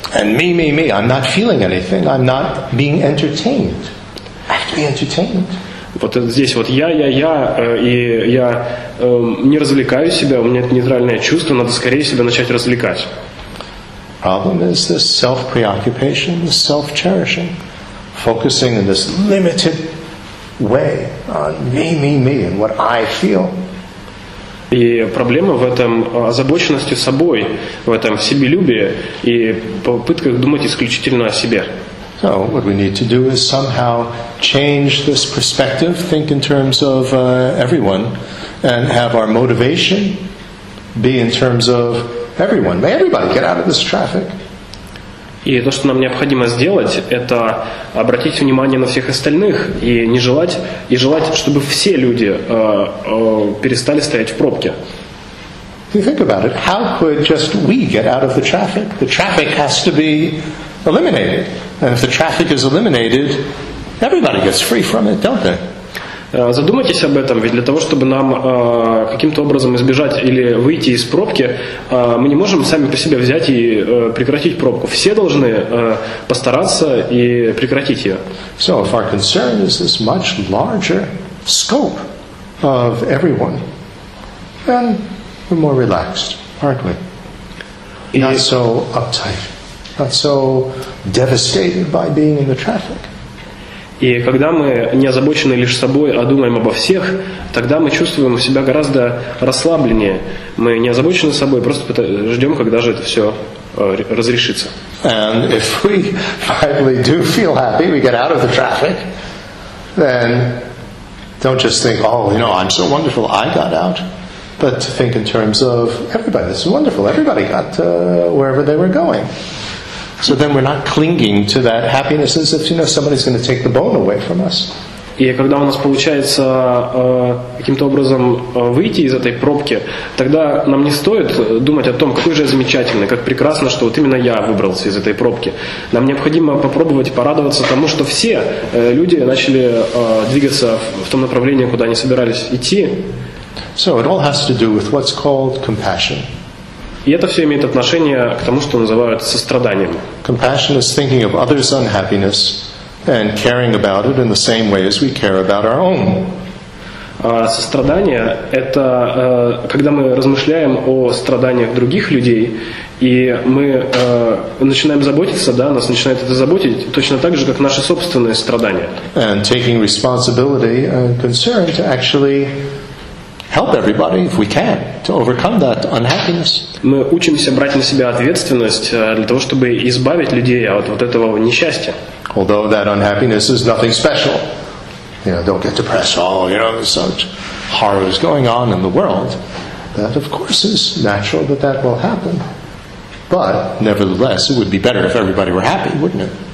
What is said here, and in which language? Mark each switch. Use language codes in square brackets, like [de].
[en] And me, me, me, I'm not feeling anything, I'm not being entertained. I have to be entertained. [ru] Вот здесь вот я, и я не развлекаю себя, у меня это нейтральное чувство, надо скорее себя начать развлекать. [en] Problem is this self-preoccupation, this self-cherishing, focusing in this limited way on me, me, me, and what I feel. [ru] И проблема в этом озабоченности собой, в этом себелюбии и попытках думать исключительно о себе. [en] So what we need to do is somehow change this perspective, think in terms of everyone, and have our motivation be in terms of everyone. May everybody get out of this traffic. [ru] И то, что нам необходимо сделать, это обратить внимание на всех остальных и не желать, и желать, чтобы все люди перестали стоять в пробке. [en] You think about it. How could just we get out of the traffic? The traffic has to be eliminated. And if the traffic is eliminated, everybody gets free from it, don't they? [ru] Задумайтесь об этом, ведь для того, чтобы нам каким-то образом избежать или выйти из пробки, мы не можем сами по себе взять и прекратить пробку. Все должны постараться и прекратить ее. [en] So if our concern is this much larger scope of everyone, then we're more relaxed, aren't we? Not so uptight, not so devastated by being in the traffic. [ru] И когда мы не озабочены лишь собой, а думаем обо всех, тогда мы чувствуем себя гораздо расслабленнее. Мы не озабочены собой, просто ждем, когда же это все разрешится. [en] And if we finally do feel happy, we get out of the traffic, then don't just think, oh, you know, I'm so wonderful, I got out. But think in terms of everybody, this is wonderful, everybody got wherever they were going. So then we're not clinging to that happiness as if, you know, somebody's going to take the bone away from us. [ru] И когда у нас получается каким-то образом выйти из этой пробки, тогда нам не стоит думать о том, какой же я замечательный, как прекрасно, что вот именно я выбрался из этой пробки. Нам необходимо попробовать порадоваться тому, что все люди начали двигаться в том направлении, куда они собирались идти. [en] So it all has to do with what's called compassion. [ru] И это все имеет отношение к тому, что называют состраданием. [en] Compassion is thinking of others' unhappiness and caring about it in the same way as we care about our own. [ru] Сострадание — это когда мы размышляем о страданиях других людей, и мы начинаем заботиться, да, нас начинает это заботить, точно так же, как наши собственные страдания. [en] And taking responsibility and concern to actually help everybody, if we can, to overcome that unhappiness. [ru] Мы учимся брать на себя ответственность для того, чтобы избавить людей от вот этого несчастья. [en] Although that unhappiness is nothing special. You know, don't get depressed, there's such horrors going on in the world. That, of course, is natural that that will happen. But, nevertheless, it would be better if everybody were happy, wouldn't it?